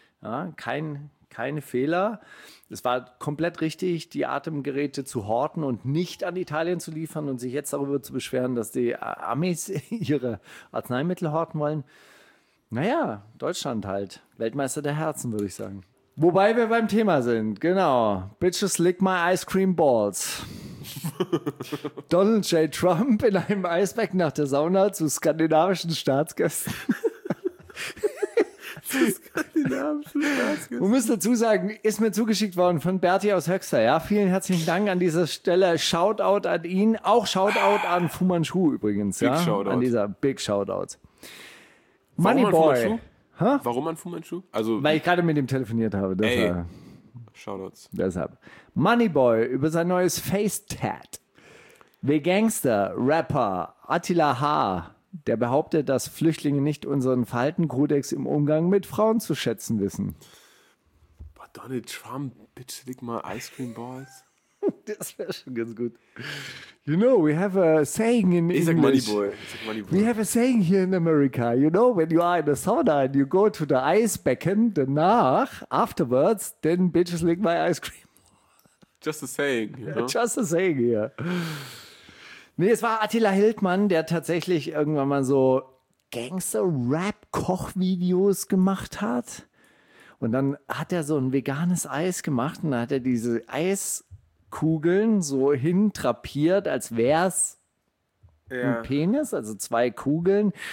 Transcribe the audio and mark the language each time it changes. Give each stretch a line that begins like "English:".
German: Ja, keine Fehler. Es war komplett richtig, die Atemgeräte zu horten und nicht an Italien zu liefern und sich jetzt darüber zu beschweren, dass die Amis ihre Arzneimittel horten wollen. Naja, Deutschland halt. Weltmeister der Herzen, würde ich sagen. Wobei wir beim Thema sind, genau.
English: Bitches lick my ice cream balls. Donald J.
German: Trump in einem Eisbecken nach der Sauna zu skandinavischen Staatsgästen. Man muss dazu sagen, ist mir zugeschickt worden von Berti aus Höxter. Ja, vielen herzlichen Dank an dieser Stelle. Shoutout an ihn. Auch Shoutout an Fu Manchu übrigens.
English: Big
German: ja? Shoutout. An dieser Big Shoutout. Money Boy. Warum an Fu Manchu? Also, weil ich gerade mit ihm telefoniert habe. Deshalb. Ey. Shoutouts. Deshalb. Money Boy über sein neues Face-Tat.
English: The Gangster,
German: Rapper Attila H., der behauptet, dass Flüchtlinge nicht unseren Verhaltenskodex im Umgang mit Frauen zu schätzen wissen.
English: Boah, Donald Trump, bitch, lick mal Ice Cream Balls.
German: Das wäre schon ganz gut.
English: You know, we have a saying in English.
German: Money Boy. Ich sag
English: Money Boy. We have a saying here in America. You know, when you are in a sauna and you go to the ice becken, danach, afterwards, then bitches lick my ice cream. Just a saying, you know? Just a saying here.
German: Nee, es war Attila Hildmann, der tatsächlich irgendwann mal so Gangster-Rap-Kochvideos gemacht hat. Und dann hat er so ein veganes Eis gemacht und dann hat er diese Eiskugeln so hintrapiert, als wär's ein Penis, also zwei Kugeln.